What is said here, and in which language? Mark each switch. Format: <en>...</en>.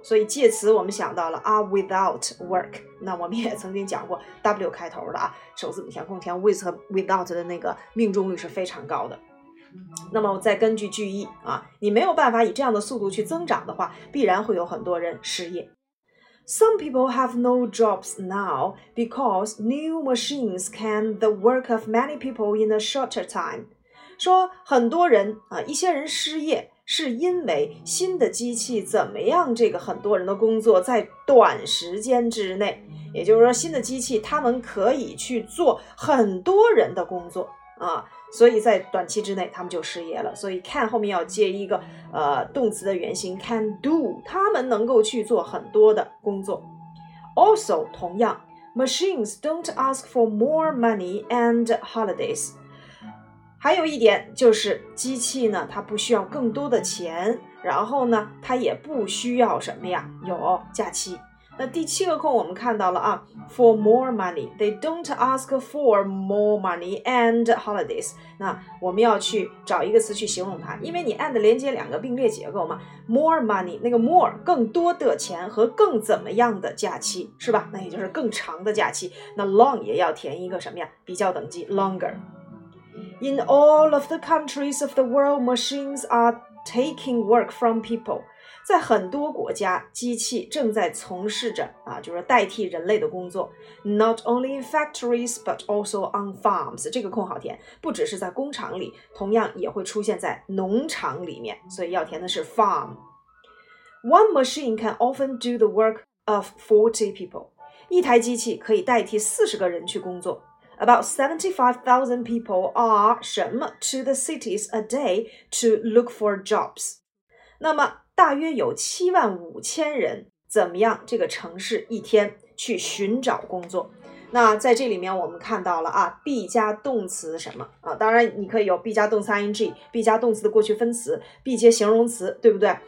<zh>所以介词我们想到了</zh> <en>are without work，</en> <zh>那我们也曾经讲过 W 开头的首字母填空填 with 和 without 的那个命中率是非常高的。那么再根据句意啊，你没有办法以这样的速度去增长的话，必然会有很多人失业。</zh> <en>Some people have no jobs now because new machines can the work of many people in a shorter time.</en> <zh>说很多人一些人失业是因为新的机器怎么样这个很多人的工作在短时间之内。也就是说新的机器他们可以去做很多人的工作啊，所以在短期之内他们就失业了。所以 can 后面要接一个动词的原型 can do， 他们能够去做很多的工作。</zh> <en>Also</en> <zh>同样</zh> <en>machines don't ask for more money and holidays。</en> <zh>还有一点就是机器呢它不需要更多的钱，然后呢它也不需要什么呀，有假期。那第七个空我们看到了</zh> <en>for more money， they don't ask for more money and holidays。</en> <zh>那我们要去找一个词去形容它，因为你 and 连接两个并列结构嘛， more money 那个 more 更多的钱和更怎么样的假期，是吧？那也就是更长的假期。那 long 也要填一个什么呀，比较等级 longer。</zh> <en>In all of the countries of the world machines are taking work from people，</en> <zh>在很多国家，机器正在从事着啊，就是代替人类的工作。</zh> <en>Not only in factories, but also on farms.</en> <zh>这个空好填，不只是在工厂里，同样也会出现在农场里面。所以要填的是 farm.</zh> <en>One machine can often do the work of 40 people.</en> <zh>一台机器可以代替40个人去工作。</zh> <en>About 75,000 people are</en> <zh>什么</zh> <en>to the cities a day to look for jobs.</en> <zh>那么大约有75,000人怎么样这个城市一天去寻找工作。那在这里面我们看到了啊 ,be 加动词什么啊，当然你可以有 be 加动词 ing, be 加动词的过去分词， be 接形容词，对不对？</zh>